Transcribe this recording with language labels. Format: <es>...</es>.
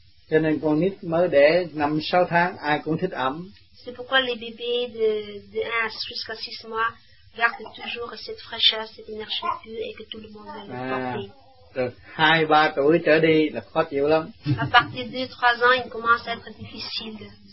<vi>Cho nên con nít mới đẻ 5-6 tháng ai cũng thích ấm.</vi> <fr>C'est pourquoi les bébés de 1 jusqu'à 6 mois gardent toujours cette fraîcheur, cette énergie pure et que tout le monde veut porter.</fr> <vi>Rồi 2-3 tuổi trở đi là khó chịu lắm.</vi> <fr>À partir de 3 ans, il commence à être difficile.</fr>